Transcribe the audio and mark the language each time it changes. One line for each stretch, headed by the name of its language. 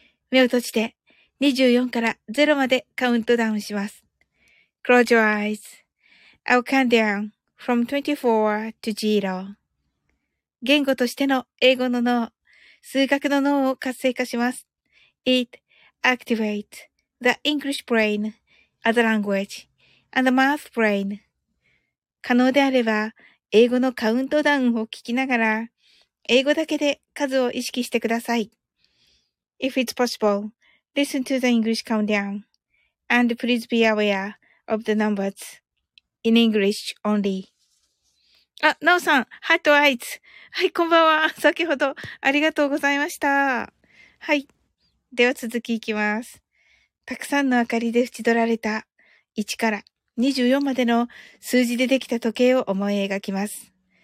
Japanese: 目を閉じて24から0までカウントダウンします。
English: Close your eyes. I'll count down from 24 to 0.
Japanese: 言語としての英語の脳、数学の脳を活性化します。
English: It activates. The English brain, as a language, and the math brain.
Japanese: 可能であれば、英語のカウントダウンを聞きながら、英語だけで数を意識してください。
English: If it's possible, listen to the English countdown, and please be aware of the numbers in English only.
Japanese: あ、ナオさん、ハートアイツ。はい、こんばんは。先ほどありがとうございました。はい、では続きいきます。たくさんの明かりで縁取られた1から24までの数字でできた時計を思い描きます。